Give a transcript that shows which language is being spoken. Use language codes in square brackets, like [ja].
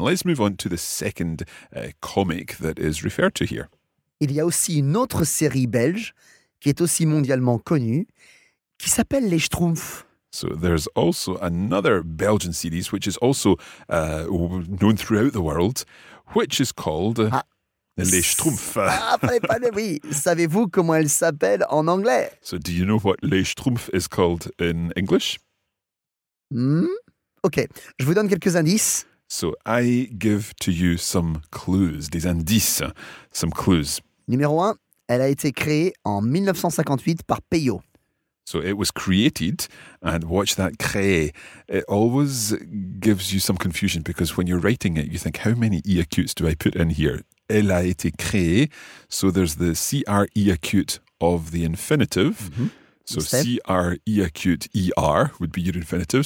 [en] Let's move on to the second comic that is referred to here. [fr] Il y a aussi une autre série belge qui est aussi mondialement connue, qui s'appelle Les Schtroumpfs. [en] So there's also another Belgian series, which is also known throughout the world, which is called Les Schtroumpfs. [fr] Oui, savez-vous comment elle s'appelle en anglais? [en] So do you know what Les Schtroumpfs is called in English? [fr] Ok, je vous donne quelques indices. [en] So I give to you some clues, [fr] des indices, [en] some clues. [fr] Numéro 1, elle a été créée en 1958 par Peyot. [en] So it was created, and watch that créé. It always gives you some confusion because when you're writing it, you think, how many E acutes do I put in here? [fr] Elle a été créée. [en] So there's the C-R-E acute of the infinitive. Mm-hmm. So C-R-E acute E-R would be your infinitive.